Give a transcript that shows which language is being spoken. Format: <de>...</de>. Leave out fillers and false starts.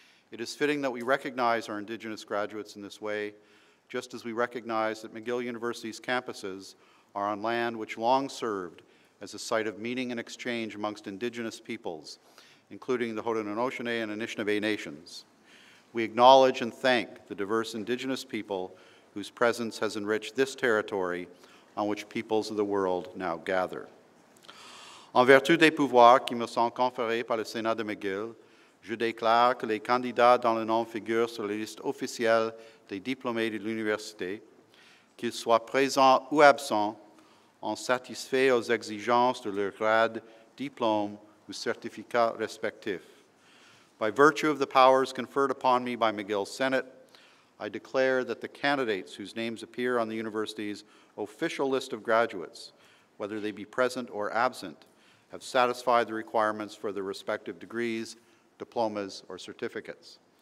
<en>It is fitting that we recognize our Indigenous graduates in this way, just as we recognize that McGill University's campuses are on land which long served as a site of meeting and exchange amongst Indigenous peoples, including the Haudenosaunee and Anishinaabe Nations. We acknowledge and thank the diverse Indigenous people whose presence has enriched this territory on which peoples of the world now gather.</en> <fr>En vertu des pouvoirs qui me sont conférés par le Sénat de McGill, je déclare que les candidats dont le nom figure sur la liste officielle des diplômés de l'université, qu'ils soient présents ou absents, ont satisfait aux exigences de leur grade, diplôme ou certificat respectif.</fr> <en>By virtue of the powers conferred upon me by McGill Senate, I declare that the candidates whose names appear on the university's official list of graduates, whether they be present or absent, have satisfied the requirements for their respective degrees, diplomas, or certificates.</en>